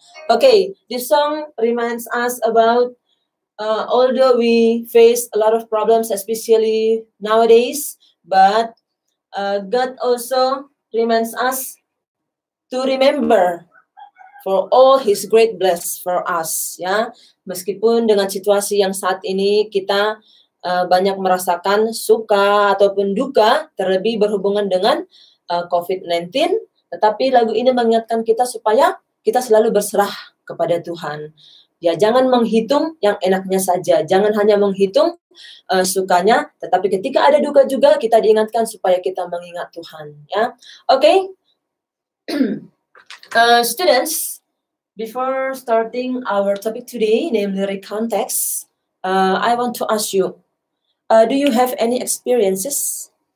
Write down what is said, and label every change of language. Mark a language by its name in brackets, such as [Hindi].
[English] Okay, this song reminds us about although we face a lot of problems, especially nowadays, but God also reminds us to remember for all his great bless for us, ya. [Indonesian] Meskipun dengan situasi yang saat ini kita banyak merasakan suka ataupun duka, terlebih berhubungan dengan COVID-19, Tetapi lagu ini mengingatkan kita supaya kita selalu berserah kepada Tuhan. Ya, jangan menghitung yang enaknya saja. Jangan hanya menghitung sukanya. Tetapi ketika ada duka juga, kita diingatkan supaya kita mengingat Tuhan. Ya, okay. [English] Students, before starting our topic today, namely lyric context, I want to ask you, do you have any experiences?